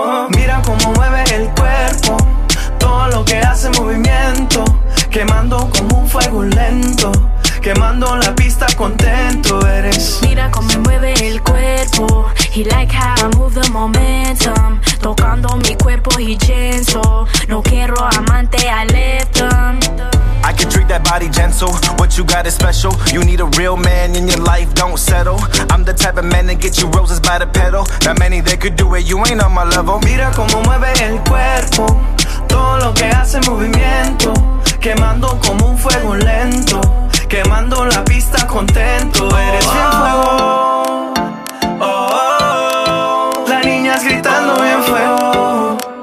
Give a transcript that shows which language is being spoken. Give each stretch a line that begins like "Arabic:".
Spanish: Mira cómo mueve el cuerpo, todo lo que hace movimiento. Quemando como un fuego lento, quemando la pista contento. Eres. Mira cómo mueve el cuerpo.
English: He like how I move the momentum.
Spanish: Tocando mi cuerpo y genso. No quiero amante,
English: I left them. I can treat that body gentle. What you got is special. You need a real man in your life, don't settle. I'm the type of man that get you roses by the petal. Not many that could do it, you ain't on my level.
Spanish: Mira cómo mueve el cuerpo. Todo lo que hace movimiento. Quemando como un fuego lento. Quemando la pista contento. Eres oh, el fuego. Oh, oh, oh. La niña es gritando oh, en fuego.